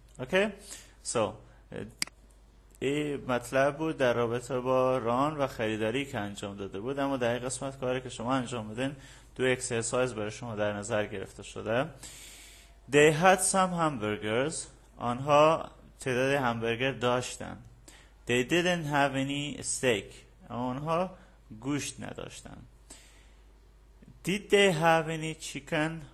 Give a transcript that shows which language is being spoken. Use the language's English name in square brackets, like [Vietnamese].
[Persian] اوکی؟ سو این مطلب بود در رابطه با ران و خریداری که انجام داده بود. اما در این قسمت کاری که شما انجام بدین دو اکسرسایز برای شما در نظر گرفته شده. [English] They had some hamburgers. [Persian] آنها تعداد همبرگر داشتن. [English] They didn't have any steak. [Persian] آنها گوشت نداشتن. [English] Did they have any chicken?